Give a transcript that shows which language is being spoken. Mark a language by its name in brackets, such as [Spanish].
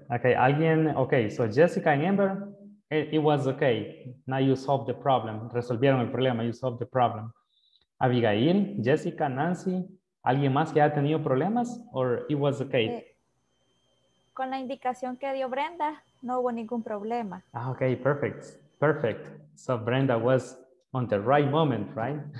[English] Ok, so Jessica and Amber, it was okay. Now you solved the problem. [Spanish] Resolvieron el problema, [English] you solved the problem. [Spanish] Abigail, Jessica, Nancy, ¿alguien más que haya tenido problemas? [English] Or it was okay? [Spanish] Con la indicación que dio Brenda, no hubo ningún problema. [English] Ah, ok, perfect. Perfect. So Brenda was on the right moment, right?